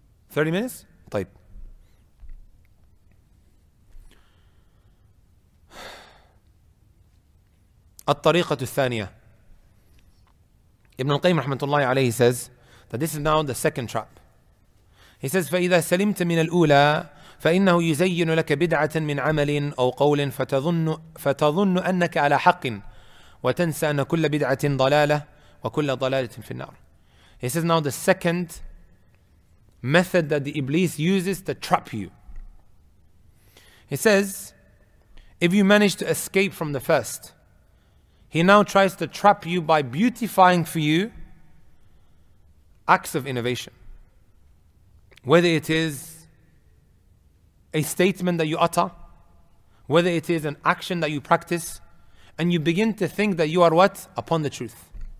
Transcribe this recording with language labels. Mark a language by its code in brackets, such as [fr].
[en] 30 minutes? طيب. [ar] الطريقة الثانية. [en] Ibn al-Qayyim rahmatullahi alayhi says that this is now the second trap. He says, [ar] فَإِذَا سَلِمْتَ مِنَ الْأُولَى فَإِنَّهُ يُزَيِّنُ لَكَ بِدْعَةً مِنْ عَمَلٍ أَوْ قَوْلٍ فَتَظُنُّ أَنَّكَ عَلَى حَقٍّ وَتَنْسَى أَنَّ كُلَّ بِدْعَةٍ ضَلَالَةٍ وَكُلَّ ضَلَالَةٍ فِي النَّارِ. [en] He says, now the second method that the Iblis uses to trap you. He says, if you manage to escape from the first, he now tries to trap you by beautifying for you acts of innovation. Whether it is a statement that you utter, whether it is an action that you practice, and you begin to think that you are what? Upon the truth.